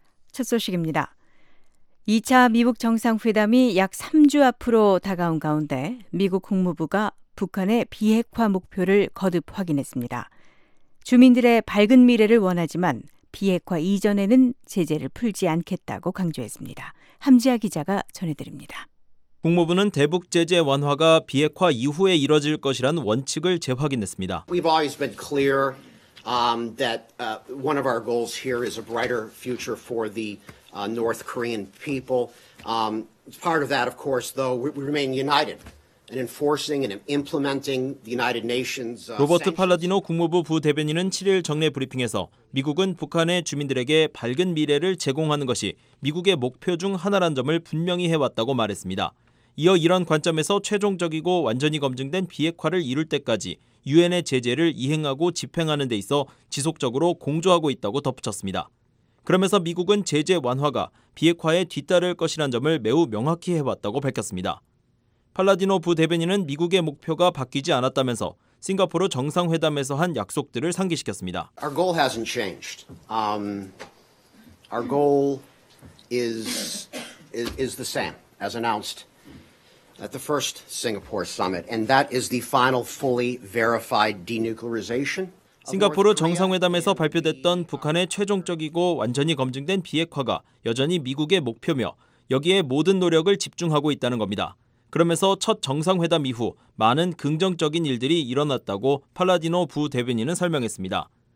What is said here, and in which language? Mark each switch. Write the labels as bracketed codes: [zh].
[ko] 첫 소식입니다. 2차 미북 정상회담이 약 3주 앞으로 다가온 가운데 미국 국무부가 북한의 비핵화 목표를 거듭 확인했습니다. 주민들의 밝은 미래를 원하지만 비핵화 이전에는 제재를 풀지 않겠다고 강조했습니다. 함지아 기자가 전해드립니다. 국무부는 대북 제재 완화가 비핵화 이후에 이뤄질 것이란 원칙을 재확인했습니다. [en] We've always been clear that one of our goals here is a brighter future for the North Korean people. Part of that, of course, though, we remain united in enforcing and implementing the United Nations. [ko] 로버트 팔라디노 국무부 부대변인은 7일 정례 브리핑에서 미국은 북한의 주민들에게 밝은 미래를 제공하는 것이 미국의 목표 중 하나란 점을 분명히 해왔다고 말했습니다. 이어 이런 관점에서 최종적이고 완전히 검증된 비핵화를 이룰 때까지 유엔의 제재를 이행하고 집행하는 데 있어 지속적으로 공조하고 있다고 덧붙였습니다. 그러면서 미국은 제재 완화가 비핵화에 뒤따를 것이란 점을 매우 명확히 해왔다고 밝혔습니다. 팔라디노 부대변인은 미국의 목표가 바뀌지 않았다면서 싱가포르 정상회담에서 한 약속들을 상기시켰습니다. [en] Our goal hasn't changed. Our goal is the same as announced. At the first Singapore summit, and that is the final fully verified denuclearization. [ko] 싱가포르 정상회담에서 발표됐던 북한의 최종적이고 완전히 검증된 비핵화가 여전히 미국의 목표며 여기에 모든 노력을 집중하고 있다는 겁니다. 그러면서 첫 정상회담 이후 많은 긍정적인 일들이 일어났다고 팔라디노 부대변인은 설명했습니다.